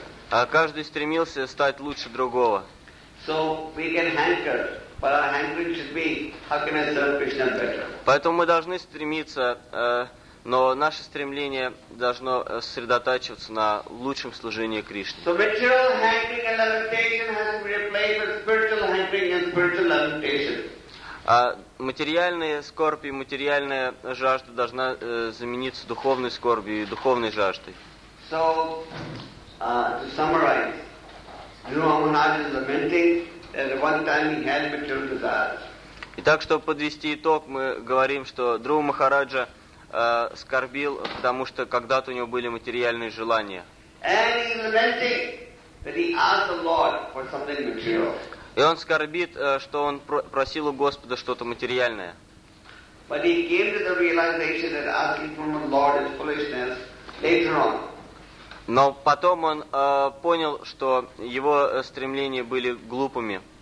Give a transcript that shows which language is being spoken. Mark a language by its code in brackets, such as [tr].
[ru] А каждый стремился стать лучше другого. [en] So we can hanker, but our hankering should be, how can I serve Krishna better? [ru] Поэтому мы должны стремиться, но наше стремление должно сосредотачиваться на лучшем служении Кришне. [en] So material hankering and levitation has to be replaced with spiritual hankering and spiritual levitation. [ru] А материальная скорбь и материальная жажда должна замениться духовной скорбью и духовной жаждой. [en] So, to summarize, Guru Amarnath is lamenting that one time he had material desires. [ru] Итак, чтобы подвести итог, мы говорим, что Друва Махараджа скорбил, потому что когда-то у него были материальные желания. [en] And he is lamenting that he asked the Lord for something material. [ru] И он скорбит, что он просил у Господа что-то материальное. [en] But he came to the realization that asking from the Lord is foolishness later on. [ru] Но потом он понял, что его стремления были глупыми.